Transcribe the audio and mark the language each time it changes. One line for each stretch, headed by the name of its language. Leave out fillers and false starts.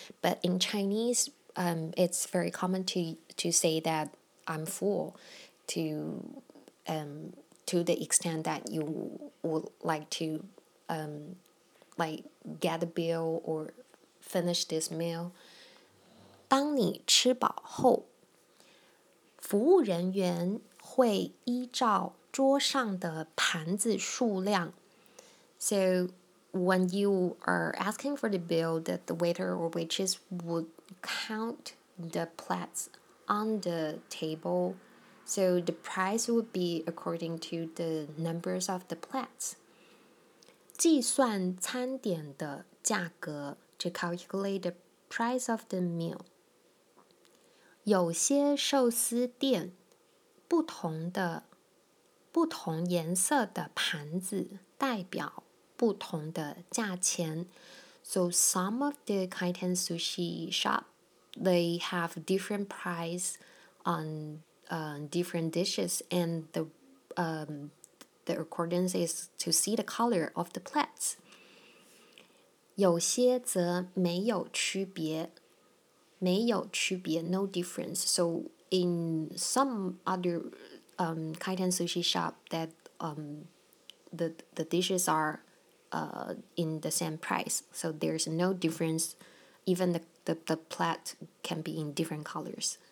English: But in Chinese, it's very common to say that I'm full to the extent that you would like to get a bill or finish this meal.
Chinese: 当你吃饱后，服务人员会依照桌上的盘子数量。
English: So, when you are asking for the bill, that the waiter or waitress would count the plates on the table. So, the price would be according to the numbers of the plates.
Chinese: 计算餐点的价格
English: to calculate the price of the meal.
Chinese: 有些寿司店不同颜色的盘子代表不同的价钱。
English: So some of the Kaiten Sushi shop, they have different price on different dishes, and the accordance is to see the color of the plates.
Chinese: 有些则没有区别，没有区别
English: no difference. So,In some other Kaiten sushi shop that the dishes are in the same price. So there's no difference. Even the plate can be in different colors.